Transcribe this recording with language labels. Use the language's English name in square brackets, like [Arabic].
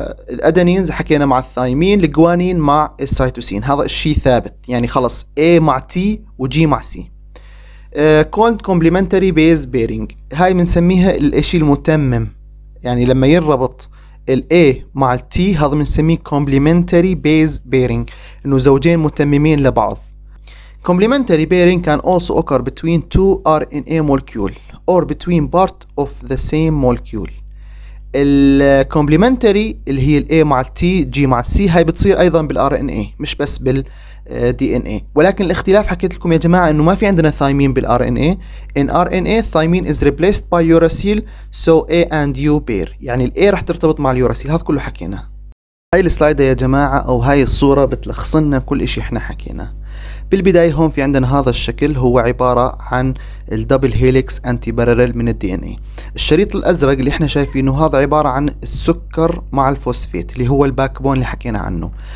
[Arabic] الأدنين زي حكينا مع الثايمين، الجوانين مع السيتوسين، هذا الشيء ثابت يعني خلص، A مع T وG مع C. كولد كومبلمنتري بيز بيرينج، هاي بنسميها الإشي المتمم، يعني لما ينربط ال A مع ال T هذا بنسميه كومبلمنتري بيز بيرينج، إنه زوجين متممين لبعض. [English] Complementary pairing can also occur between two RNA molecules or between part of the same molecule. [Arabic] الcomplementary اللي هي الA مع الT G مع C هاي بتصير أيضا بالRNA مش بس بالDNA، ولكن الاختلاف حكيت لكم يا جماعة إنه ما في عندنا thymine بالRNA. [English] In RNA thymine is replaced by uracil, so A and U pair. [Arabic] يعني الA رح ترتبط مع اليوراسيل، هذا كله حكينا. هاي السلايدة يا جماعة أو هاي الصورة بتلخص لنا كل إشي إحنا حكينا. بالبداية هون في عندنا هذا الشكل، هو عبارة عن الدبل هيليكس أنتي بارلل من الدي ان اي. الشريط الأزرق اللي احنا شايفينه هذا عبارة عن السكر مع الفوسفيت اللي هو الباك بون اللي حكينا عنه.